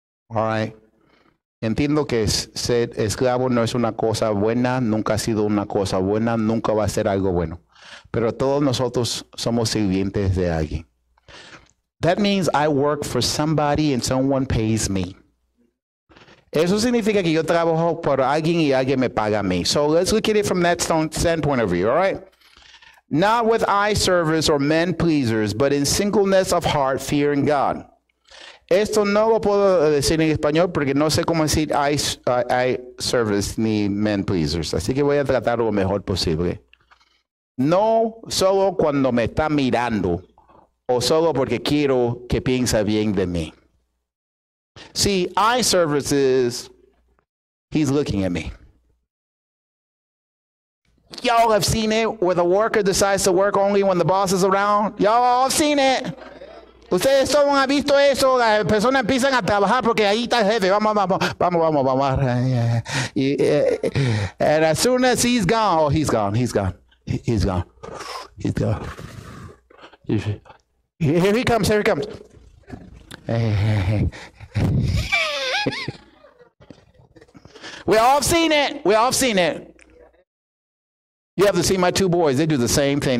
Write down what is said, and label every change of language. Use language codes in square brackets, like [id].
[en] All right? [es] Entiendo que ser esclavo no es una cosa buena, nunca ha sido una cosa buena, nunca va a ser algo bueno. Pero todos nosotros somos sirvientes de alguien. [en] That means I work for somebody and someone pays me. [es] Eso significa que yo trabajo por alguien y alguien me paga a mí. [en] So let's look at it from that standpoint of view, all right? Not with eye service or men pleasers, but in singleness of heart, fearing God. [es] Esto no lo puedo decir en español porque no sé cómo decir eye service ni men pleasers. Así que voy a tratar lo mejor posible. No solo cuando me está mirando, o solo porque quiero que piensa bien de mí. [en] See, eye service is, he's looking at me. Y'all have seen it where the worker decides to work only when the boss is around. Y'all all have seen it. [es] Ustedes solo han visto eso, las personas empiezan a trabajar porque ahí está el jefe, vamos. [en] And as soon as he's gone, oh, he's gone. Here he comes. We all have seen it. You have to see my two boys. They do the same thing.